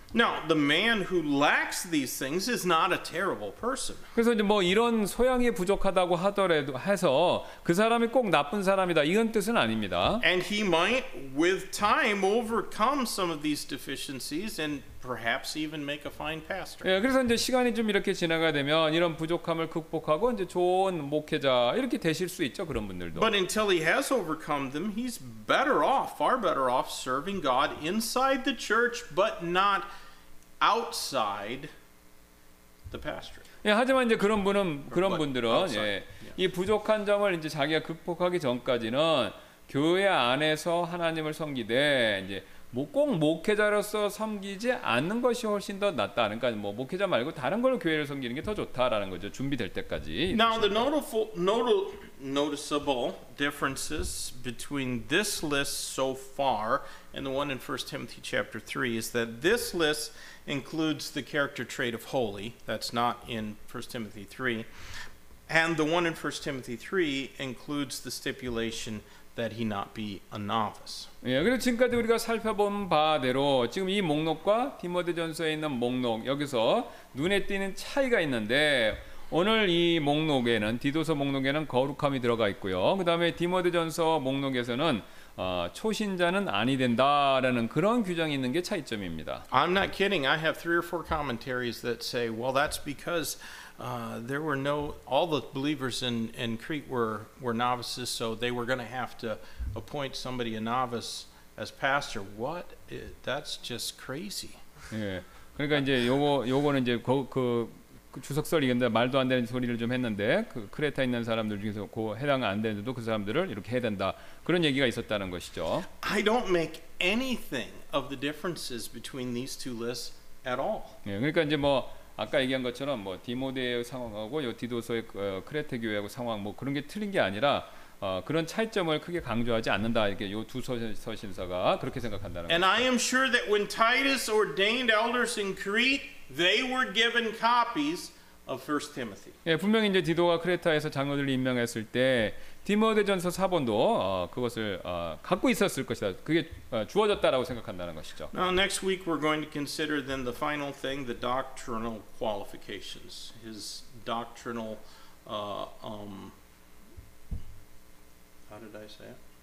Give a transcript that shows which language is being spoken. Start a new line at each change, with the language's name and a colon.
English: Now, the man who lacks these things is not a terrible person.
Korean: 그래서 이제 뭐 이런 소양이 부족하다고 하더라도 해서 그 사람이 꼭 나쁜 사람이다 이건 뜻은 아닙니다.
English: And he might, with time, overcome some of these deficiencies and perhaps even make a fine pastor.
Korean: 예, 그래서 이제 시간이 좀 이렇게 지나가 되면 이런 부족함을 극복하고 이제 좋은 목회자 이렇게 되실 수 있죠 그런 분들도.
English: But until he has overcome them, he's better off, far better off, serving God inside the church, but not outside the pastor.
Korean: 예, 하지만 이제 그런 분은 그런 분들은 예, 이 부족한 점을 이제 자기가 극복하기 전까지는 교회 안에서 하나님을 섬기되 이제 뭐 꼭 목회자로서 섬기지 않는 것이 훨씬 더 낫다. 그러니까 뭐 목회자 말고 다른 걸로 교회를 섬기는 게 더 좋다라는 거죠. 준비될 때까지.
English: Now the noticeable differences between this list so far and the one in 1 Timothy chapter 3 is that this list includes the character trait of holy. That's not in 1 Timothy 3. And the one in 1 Timothy 3 includes the stipulation that he not be a novice.
Korean: 예, 그리고 지금까지 우리가 살펴본 바대로 지금 이 목록과 디모데전서에 있는 목록 여기서 눈에 띄는 차이가 있는데 오늘 이 목록에는 디도서 목록에는 거룩함이 들어가 있고요. 그다음에 디모데전서 목록에서는 초신자는 아니 된다라는 그런 규정이 있는 게 차이점입니다.
English: I'm not kidding. I have three or four commentaries that say, well, that's because there were no all the believers in Crete were novices, so they were going to have to appoint somebody a novice as pastor. What? That's just crazy.
Korean: 예. 그러니까 이제 요거는 이제 그 주석설이겠는데 말도 안 되는 소리를 좀 했는데 그 크레타 있는 사람들 중에서 그 해당 안 되는데도 그 사람들을 이렇게 해야 된다 그런 얘기가 있었다는 것이죠.
English: I don't make anything of the differences between these two lists at all.
Korean: 예, 그러니까 이제 뭐 아까 얘기한 것처럼 뭐 디모데의 상황하고 요 디도서의 크레테 교회하고 상황 뭐 그런 게 틀린 게 아니라 그런 차이점을 크게 강조하지 않는다 이렇게 요 두 서신서가 그렇게 생각한다는 거죠.
English: And I am sure that when Titus ordained elders in Crete, they were given copies of 1 Timothy.
Korean: 예, 분명히 이제 디도가 크레타에서 장로들을 임명했을 때 디모데전서 사본도 그것을 갖고 있었을 것이다. 그게 주어졌다라고 생각한다는 것이죠.
English: Now next week we're going to consider then the final thing, the doctrinal qualifications, his doctrinal how did I say it?